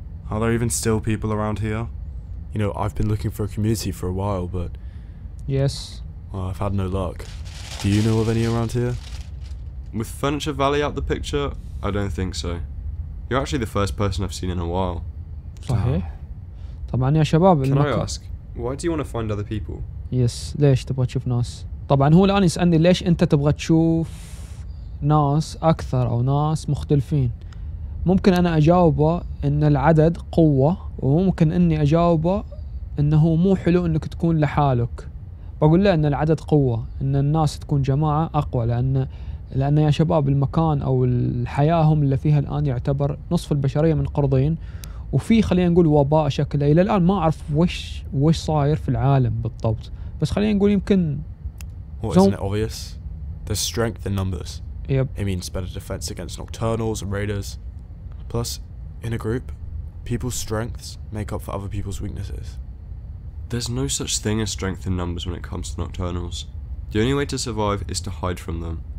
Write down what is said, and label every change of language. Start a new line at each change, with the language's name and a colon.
English: Are there even still people around here? You know, I've been looking for a community for a while, but... Yes. Well, I've had no luck. Do you know of any around here? With Furniture Valley out the picture, I don't think so. You're actually the first person I've seen in a while.
Arabic: صحيح. طبعاً يا شباب...
English: Can I ask, why do you want to find other people?
Arabic: Yes, ليش تبغى تشوف ناس؟ طبعاً هو الآن يسألني ليش أنت تبغى تشوف ناس أكثر أو ناس مختلفين؟ ممكن أنا أجاوبه إن العدد قوة، وممكن إني أجاوبه إنه مو حلو إنك تكون لحالك. بقول له إن العدد قوة، إن الناس تكون جماعة أقوى، لأن يا شباب المكان أو الحياة هم اللي فيها الآن يعتبر نصف البشرية من قرضين، وفي خلينا نقول وباء شكله إلى الآن ما أعرف وش صاير في العالم بالضبط، بس خلينا نقول يمكن.
English: Isn't it obvious? There's strength in numbers. Yep. It means better defense against nocturnals and raiders. Plus, in a group, people's strengths make up for other people's weaknesses. There's no such thing as strength in numbers when it comes to nocturnals. The only way to survive is to hide from them.